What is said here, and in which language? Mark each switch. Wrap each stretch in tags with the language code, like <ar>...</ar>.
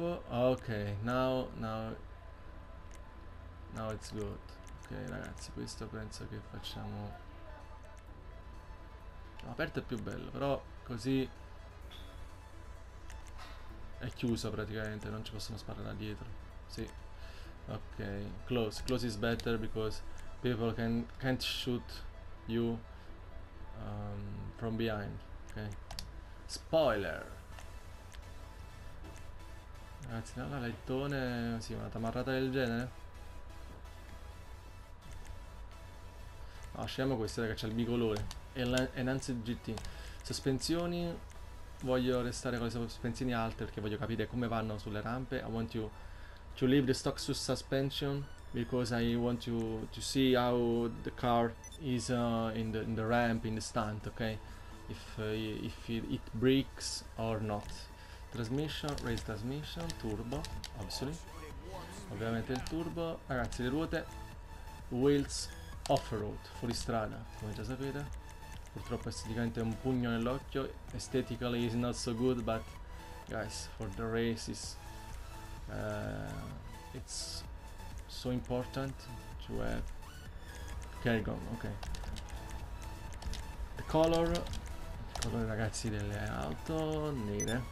<en>Okay, now it's good.</en> <it>Okay, ragazzi, questo penso che facciamo. Aperto è più bello, però così è chiuso praticamente, non ci possono sparare da dietro. Sì.</it> <en>Ok, close is better because people can't shoot you from behind. Ok. Spoiler.</en> <it>Ragazzi, no, la lettone, sì, una tamarrata del genere. Lasciamo questo, ragazzi, c'è il bicolore. Enhanced GT. Sospensioni. Voglio restare con le sospensioni alte perché voglio capire come vanno sulle rampe.</it> <en>I want you to leave the stock suspension because I want you to see how the car is in the ramp, in the stunt, ok? If it breaks or not. Transmission, race transmission, turbo, obviously.</en> <it>Ovviamente il turbo. Ragazzi, le ruote.</it> <en>Wheels off-road,</en> <it>fuori strada, come già sapete. Purtroppo esteticamente è un pugno nell'occhio.</it> <en>Aesthetically is not so good, but guys, for the races it's so important to have Kerrigan, ok. The color.</en> <it>Il colore, ragazzi, delle auto nere.</it>